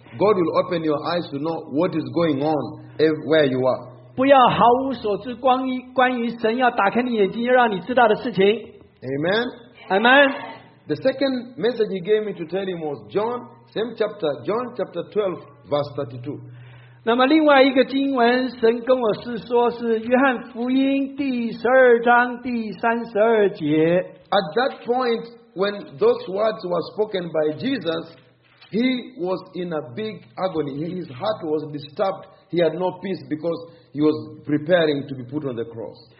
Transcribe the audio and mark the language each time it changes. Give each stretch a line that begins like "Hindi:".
English: God will open your eyes to know what is going on where you are.
Chinese: 不要毫无所知关于神要打开你眼睛要让你知道的事情。
English: Amen. Amen. The second message he gave me to tell him was John, same chapter, John chapter 12, verse 32.
Chinese: 那么另外一个经文神跟我是说是约翰福音第十二章第三十二节。
English: At that point, when those words were spoken by Jesus, he was in a big agony. His heart was disturbed. He had no peace because he was preparing to be put on the cross.